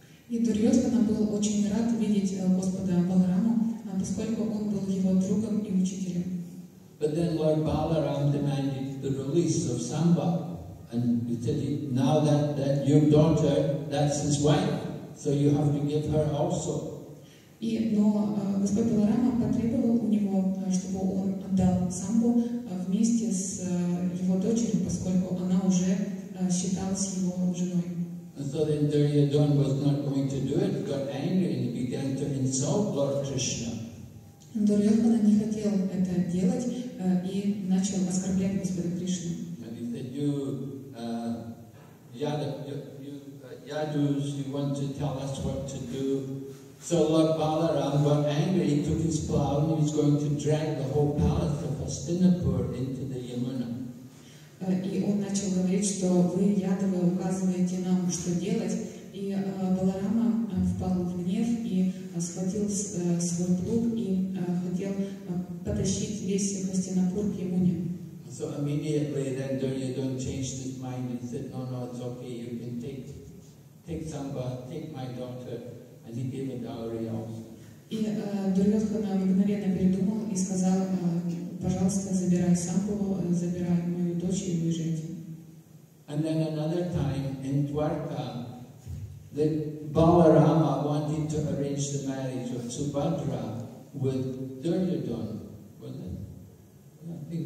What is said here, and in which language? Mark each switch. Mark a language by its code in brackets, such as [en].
[ru] И Дурьодхана был очень рад видеть Господа Балараму, поскольку он был его другом и учителем. [en] But then Lord Balaram demanded the release of Samba, and he said, now that your daughter, that's his wife, so you have to give her also. [ru] Но Господь Баларама потребовал у него, чтобы он отдал Самбу вместе с его дочерью, поскольку она уже считалась его женой. [en] And so then Duryodhana was not going to do it, got angry and began to insult Lord Krishna. [ru] Дурьодхана не хотел это делать и начал оскорблять Господа Кришну. [en] And he said, you want to tell us what to do. So Lord Balaram got angry, he took his plow and he was going to drag the whole palace of Hastinapur into the Yamuna. [ru] И он начал говорить, что вы, Ядавы, указываете нам, что делать. И Баларама впал в гнев и схватил свой плуг и хотел потащить весь Хастинапур к Ямуне. [en] So immediately then Duryodhana changed his mind and said, no, it's okay, you can take Самба, take my daughter, and he gave a dowry also. [ru] И Дурьодхана мгновенно передумал и сказал, пожалуйста, забирай Самбу, забирай мою дочь и уезжайте. [en] And then another time in Dwarka, the Balarama wanted to arrange the marriage of Subhadra with Duryodhana, wasn't it?